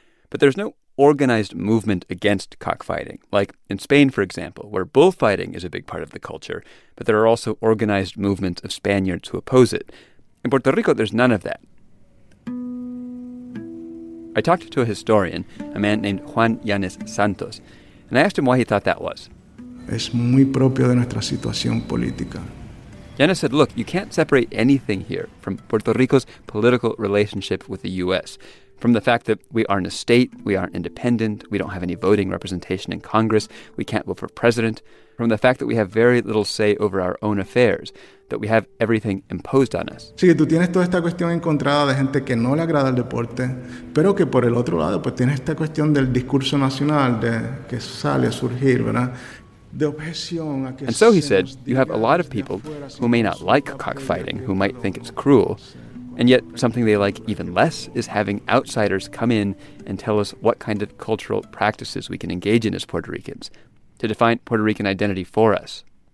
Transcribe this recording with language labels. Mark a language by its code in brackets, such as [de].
[en] But there's no organized movement against cockfighting, like in Spain, for example, where bullfighting is a big part of the culture, but there are also organized movements of Spaniards who oppose it. In Puerto Rico, there's none of that. I talked to a historian, a man named Juan Yanes Santos, and I asked him why he thought that was. [es] Es muy propio de nuestra situación política. [en] Yanes said, look, you can't separate anything here from Puerto Rico's political relationship with the U.S., from the fact that we aren't a state, we aren't independent, we don't have any voting representation in Congress, we can't vote for president, from the fact that we have very little say over our own affairs, that we have everything imposed on us. [es] Sí, tú tienes toda esta cuestión encontrada de gente que no le agrada el deporte, pero que por el otro lado, pues tiene esta cuestión del discurso nacional de que sale a surgir, ¿verdad? [en] And so, he said, you have a lot of people who may not like cockfighting, who might think it's cruel, and yet something they like even less is having outsiders come in and tell us what kind of cultural practices we can engage in as Puerto Ricans, to define Puerto Rican identity for us.